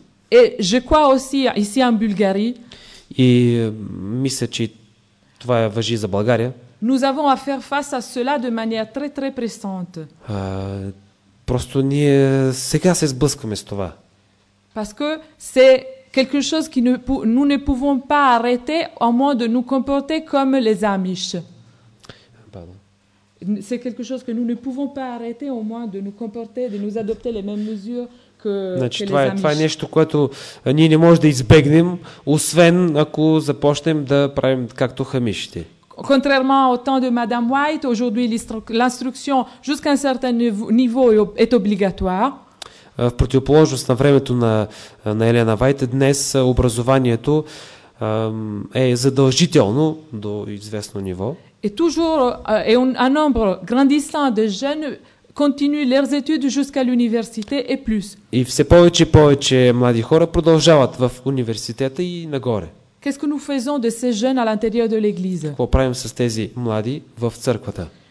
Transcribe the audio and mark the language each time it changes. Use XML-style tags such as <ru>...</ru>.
<fr>Et je crois aussi ici en Bulgarie.</fr> <bg>И мисля, че това важи за България.</bg> <fr>Nous avons à faire face à cela de manière très très pressante.</fr> <bg>Просто ние сега се сблъскваме с това.</bg> <fr>Parce que c'est quelque chose qui nous ne pouvons pas arrêter au moins de nous comporter comme les Amish. C'est quelque chose que nous ne pouvons pas arrêter au moins de nous comporter, de nous adopter les mêmes mesures que, значи, que les Amish.</fr> <bg>Това е нещо, което ние не можем да избегнем, освен ако започнем да правим както хамишите.</bg> <fr>Contrairement au temps de Madame White, aujourd'hui l'instruction jusqu'à un certain niveau est obligatoire.</fr> <bg>В противоположност на времето на Елена Вайт, днес образованието е задължително до известно ниво.</bg> <fr>Et toujours et un nombre grandissant de jeunes continuent leurs études jusqu'à l'université et plus.</fr> <bg>И все повече и повече млади хора продължават в университета и нагоре.</bg> <fr>Qu'est-ce que nous faisons de ces jeunes à l'intérieur de l'église?</fr> <bg>Какво правим с тези млади в църквата?</bg>